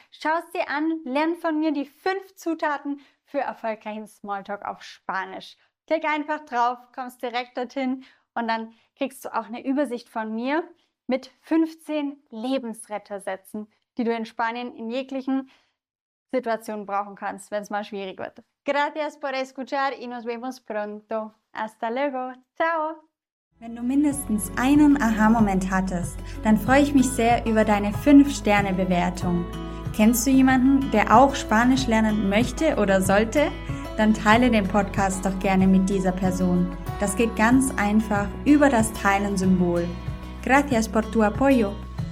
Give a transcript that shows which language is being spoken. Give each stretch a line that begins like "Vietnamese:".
German: Schau es dir an, lern von mir die 5 Zutaten für erfolgreichen Smalltalk auf Spanisch. Klick einfach drauf, kommst direkt dorthin und dann kriegst du auch eine Übersicht von mir mit 15 Lebensrettersätzen, die du in Spanien in jeglichen Situation brauchen kannst, wenn es mal schwierig wird.
Spanish: Gracias por escuchar y nos vemos pronto. Hasta luego. Ciao.
German: Wenn du mindestens einen Aha-Moment hattest, dann freue ich mich sehr über deine 5-Sterne-Bewertung. Kennst du jemanden, der auch Spanisch lernen möchte oder sollte? Dann teile den Podcast doch gerne mit dieser Person. Das geht ganz einfach über das Teilen-Symbol.
Spanish: Gracias por tu apoyo.